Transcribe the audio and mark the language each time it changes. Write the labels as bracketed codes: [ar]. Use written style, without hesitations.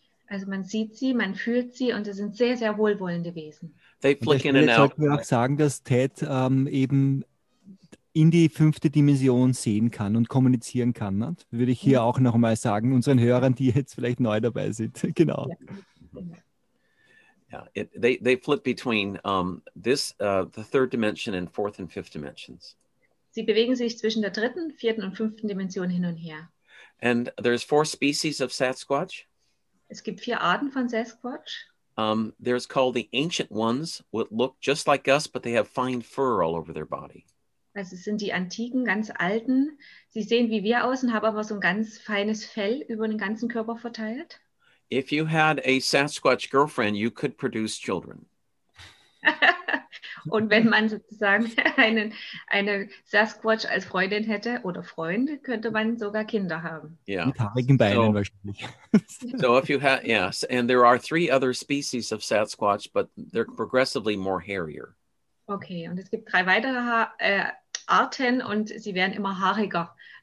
[de] Also man sieht sie, man fühlt sie und sie sind sehr, sehr wohlwollende Wesen. [en] They flick in and out. [de] Jetzt sollten wir auch sagen, dass Ted eben in die fünfte Dimension sehen kann und kommunizieren kann. Ne? Würde ich hier auch nochmal sagen, unseren Hörern, die jetzt vielleicht neu dabei sind. Genau. [en] Ja, they flip between the third dimension and fourth and fifth dimensions. [de] Sie bewegen sich zwischen der dritten, vierten und fünften Dimension hin und her. [en] And there's four species of Sasquatch. [de] Es gibt vier Arten von Sasquatch. [en] There's called the ancient ones, which look just like us, but they have fine fur all over their body. [de] Also es sind die antiken, ganz alten. Sie sehen wie wir aus und haben aber so ein ganz feines Fell über den ganzen Körper verteilt. [en] If you had a Sasquatch girlfriend, you could produce children. [de] Und wenn man sozusagen eine Sasquatch als Freundin hätte oder Freund, könnte man sogar Kinder haben. [en] Yeah. [de] Mit haarigen Beinen wahrscheinlich. [en] So if you have, yes, and there are three other species of Sasquatch, but they're progressively more hairier. [de] Okay, und es gibt drei weitere Arten und sie werden immer haariger.